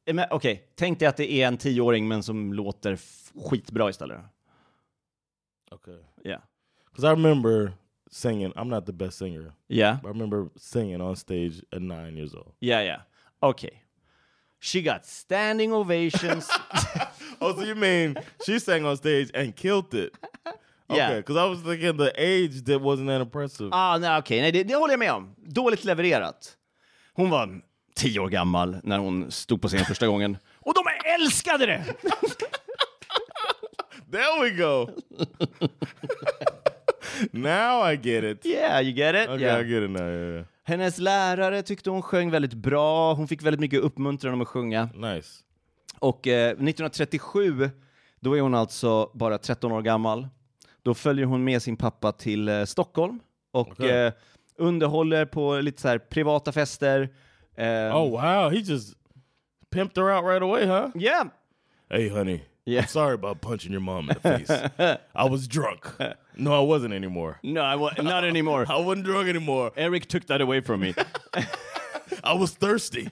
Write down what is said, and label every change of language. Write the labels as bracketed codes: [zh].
[sv] Okej, tänk dig att det är en 10-åring men som låter skitbra istället. Okej. [en] Okay. Yeah. Because I remember singing. I'm not the best singer. Yeah. But I remember singing on stage at 9 years old. Yeah, yeah. Okay. She got standing ovations. Oh, so you mean she sang on stage and killed it? Yeah. Okay, because I was thinking the age that wasn't that impressive. Ah, no, okay. [sv] Nej, det håller jag med om. Dåligt levererat. Hon var 10 år gammal när hon stod på scen första gången. Och de älskade det! [en] There we go. Now I get it. Yeah, you get it. Okay, yeah. I get it now. Yeah. [sv] Hennes lärare tyckte hon sjöng väldigt bra. Hon fick väldigt mycket uppmuntran om att sjunga. [en] Nice. [sv] Och 1937, då är hon alltså bara 13 år gammal. Då följer hon med sin pappa till Stockholm. Och okay. Underhåller på lite så här privata fester. [en] Oh wow, he just pimped her out right away, huh? Yeah. Hey honey. Yeah. I'm sorry about punching your mom in the face. I was drunk. No, I wasn't anymore. No, I was not anymore. I wasn't drunk anymore. Eric took that away from me. I was thirsty.